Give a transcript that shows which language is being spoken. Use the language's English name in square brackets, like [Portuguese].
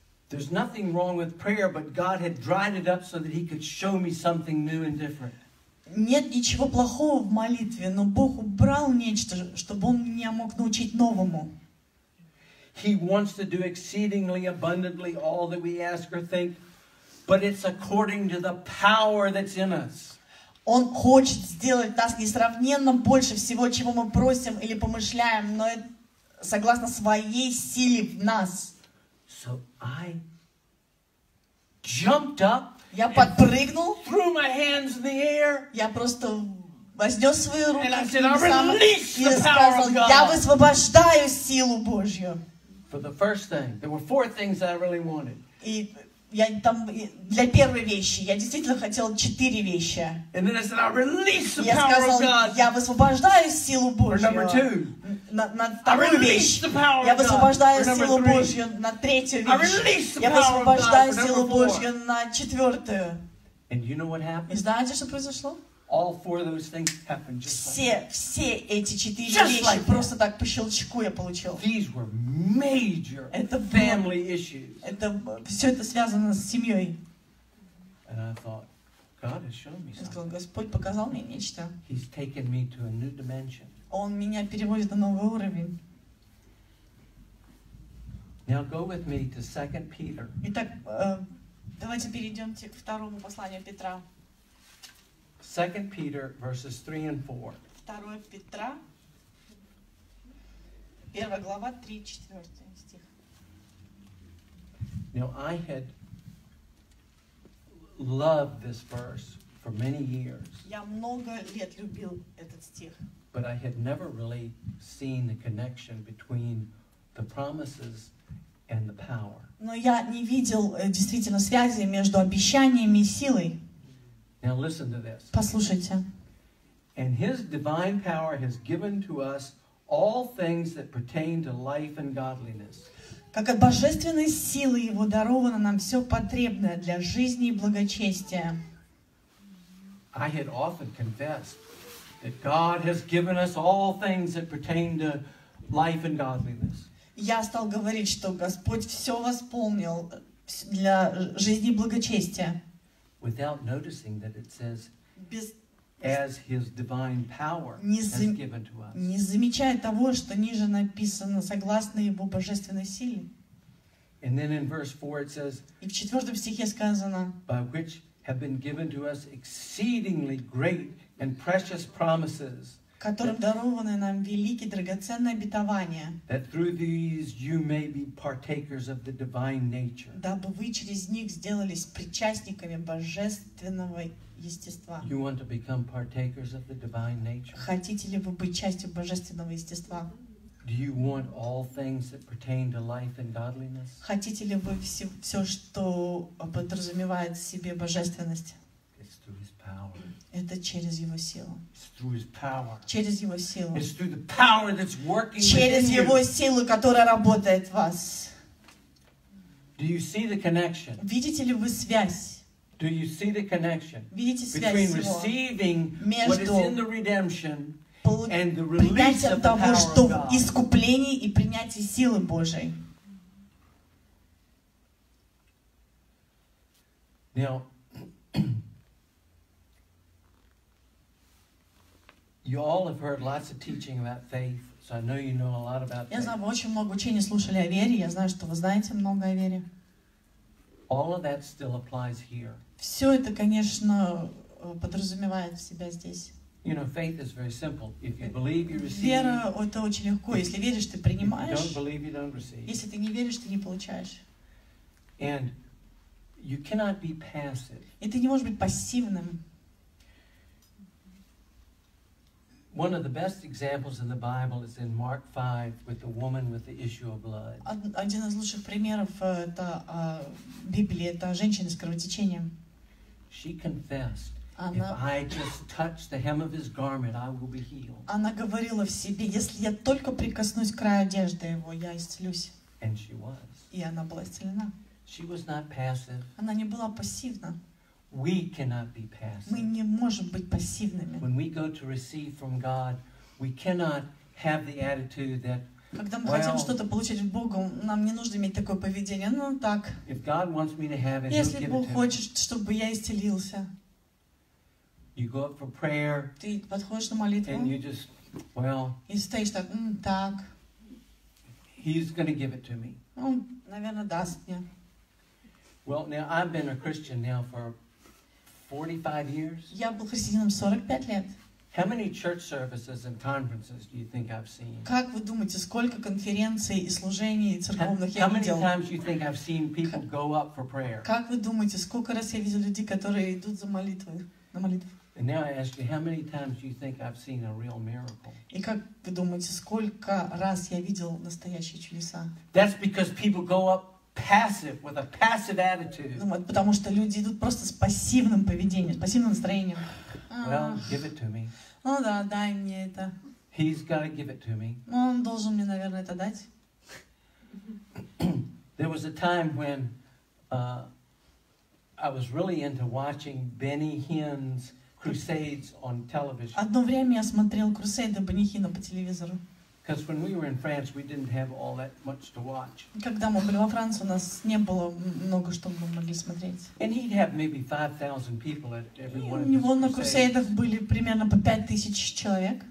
[English] There's nothing wrong with prayer, but God had dried it up so that He could show me something new and different. [Russian] Нет ничего плохого в молитве, но Бог убрал нечто, чтобы Он меня мог научить новому. [English] He wants to do exceedingly abundantly all that we ask or think, but it's according to the power that's in us. [Russian] Он хочет сделать нас несравненно больше всего, чего мы просим или помышляем, но согласно своей силе в нас. [English] So I jumped up. [Russian] Я подпрыгнул. [English] Threw my hands in the air. [Russian] Я просто вознес свои руки. [English] And I said, I release the power of God. [Russian] И сказал: я высвобождаю силу Божью. [English] For the first thing, there were 4 things I really wanted. [Russian] И я там для первой вещи я действительно хотел 4 вещи. [English] And then I said, I release the power of God. [Russian] Я сказал: я высвобождаю силу Божью. [English] For number 2. [Russian] На вторую вещь. Я высвобождаю силу Божью на третью вещь. Я высвобождаю силу Божью на четвертую. [English] And you know what happened? [Russian] И знаете, что произошло? [English] All 4 of those things happened just [Russian] все, [English] like that. [Russian] Все эти 4 вещи [English] like [Russian] просто так по щелчку я получил. [English] These were major family issues. [Russian] Это все это связано с семьей. [English] And I thought, God has shown me something. [Russian] Я сказал: Господь показал мне нечто. [English] He's taken me to a new dimension. [Russian] Он меня переводит на новый уровень. [English] Now go with me to 2 Peter. [Russian] Итак, Давайте перейдем к второму посланию Петра. [English] 2 Peter verses 3 and 4. [Russian] 2 Петра, 1 глава, 3-4 стих. [English] Now I had loved this verse for many years. [Russian] Я много лет любил этот стих. [English] But I had never really seen the connection between the promises and the power. [Russian] Но я не видел действительно связи между обещаниями и силой. [English] Now listen to this. [Russian] Послушайте. [English] And his divine power has given to us all things that pertain to life and godliness. [Russian] Как от божественной силы его даровано нам все потребное для жизни и благочестия. [English] I had often confessed that God has given us all things that pertain to life and godliness. [Russian] Я стал говорить, что Господь все восполнил для жизни и благочестия. [English] Without noticing that it says, as his divine power has given to us. [Russian] Не замечая того, что ниже написано, согласно его божественной силе. [English] And then in verse 4 it says, [Russian] и в четвертом стихе сказано, [English] by which have been given to us exceedingly great and precious promises, [Russian] которым дарованы нам великие драгоценные обетования, [English] that through these you may be partakers of the divine nature. [Russian] Дабы вы через них сделались причастниками божественного естества. [English] You want to become partakers of the divine nature? [Russian] Хотите ли вы быть частью божественного естества? [English] Do you want all things that pertain to life and godliness? [Russian] Хотите ли вы все, что подразумевает в себе божественность? [English] It's through his power. [Russian] Это через его силу. [English] It's through his power. [Russian] Через его силу. [English] It's through the power that's working [Russian] через [English] within [Russian] его [English] you. [Russian] Силу, которая работает в вас. [English] Do you see the connection? [Russian] Видите ли вы связь? [English] Do you see the connection [Russian] видите [English] between receiving what is in the redemption and the release of the power [Russian] что [English] of God? [Russian] Искупление и принятие силы Божьей. [English] Now, you all have heard lots of teaching about faith, so I know you know a lot about faith. [Russian] Я знаю, вы очень много учений слушали о вере, я знаю, что вы знаете много о вере. [English] All of that still applies here. [Russian] Все это, конечно, подразумевает в себя здесь. [English] You know, faith is very simple. If you believe, you receive. [Russian] Вера — это очень легко. Если веришь, ты принимаешь. [English] If you don't believe, you don't receive. [Russian] Если ты не веришь, ты не получаешь. [English] And you cannot be passive. [Russian] И ты не можешь быть пассивным. [English] One of the best examples in the Bible is in Mark 5 with the woman with the issue of blood. [Russian] Один из лучших примеров это Библии, это женщина с кровотечением. [English] She confessed, if I just touch the hem of his garment, I will be healed. [Russian] Она говорила в себе, если я только прикоснусь к краю одежды его, я исцелюсь. [English] And she was. [Russian] И она была исцелена. [English] She was not passive. [Russian] Она не была пассивна. [English] We cannot be passive. [Russian] Мы не можем быть пассивными. [English] When we go to receive from God, we cannot have the attitude that. [Russian] Когда мы хотим что-то получить от Бога, нам не нужно иметь такое поведение. Ну так. [English] If God wants me to have it, [Russian] если Бог хочет, чтобы я исцелился. [English] You go up for prayer. [Russian] Ты подходишь на молитву. [English] And you just, well. [Russian] И стоишь так, так. [English] He's going to give it to me. [Russian] Он, наверное, даст мне. [English] Well, now I've been a Christian now for 45 years. [Russian] Я был христианином 45 лет. [English] How many church services and conferences do you think I've seen? [Russian] Как вы думаете, сколько конференций и служений церковных я видел? [English] How many times do you think I've seen people go up for prayer? [Russian] Как вы думаете, сколько раз я видел людей, которые идут за молитвой, на молитву? [English] And now I ask you, how many times do you think I've seen a real miracle? [Russian] И как вы думаете, сколько раз я видел настоящие чудеса? [English] That's because people go up passive with a passive attitude. [Russian] Ну вот потому что люди идут просто с пассивным поведением, с пассивным настроением. [English] Well, give it to me. [Russian] Ну да, дай мне это. [English] He's got to give it to me. [Russian] Ну он должен мне, наверное, это дать. [English] There was a time when I was really into watching Benny Hinn's crusades on television. [Russian] Одно время я смотрел крусейды Бенни Хинна по телевизору. [English] Because when we were in France, we didn't have all that much to watch. [Russian] Когда мы были во Франции, у нас не было много, что мы могли смотреть. [English] And he'd have maybe 5,000 people at every one of his. [Russian] У него на крусейдах были примерно по 5,000 человек.